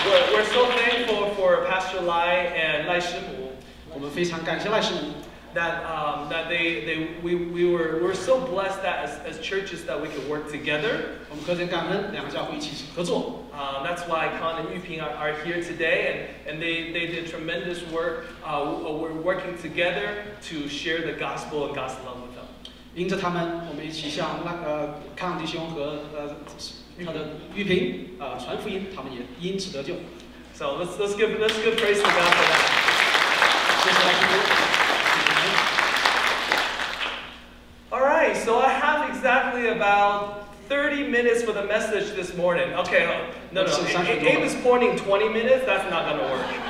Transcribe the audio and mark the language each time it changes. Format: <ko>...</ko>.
<en>We're so thankful for Pastor Lai and Lai Shi Mu.</en> <zh>我们非常感谢 Lai 师母。</zh> <en>That we were so blessed that as churches that we could work together.</en> <zh>我们何等感恩，两个教会一起合作。</zh> <en>That's why Con and Yuping are here today, and they did tremendous work. We're working together to share the gospel and God's love with them.</en> <zh>因着他们，我们一起向那个康弟兄和他的玉平传福音，他们也因此得救。</zh> <en>So let's give praise to God for that.</en> <zh>谢谢来宾。</zh> <en>So I have exactly about 30 minutes for the message this morning. Okay, no, Abe is pointing 20 minutes. That's not going to work.</en>